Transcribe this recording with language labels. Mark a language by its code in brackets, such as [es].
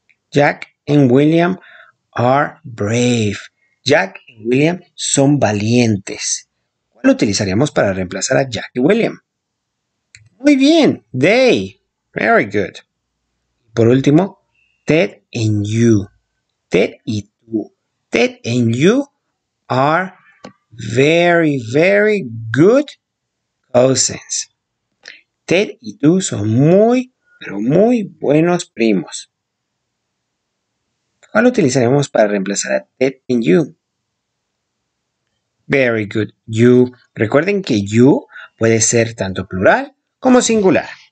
[en] Jack and William are brave. [es] Jack and William son valientes. ¿Cuál utilizaríamos para reemplazar a Jack y William? Muy bien. They. [en] Very good. [es] Por último, [en] Ted and you. [es] Ted y tú. [en] Ted and you are very, very good cousins. [es] Ted y tú son muy, pero muy buenos primos. ¿Cuál utilizaremos para reemplazar a [en] Ted and you? Very good. [es] You. Recuerden que you puede ser tanto plural como singular.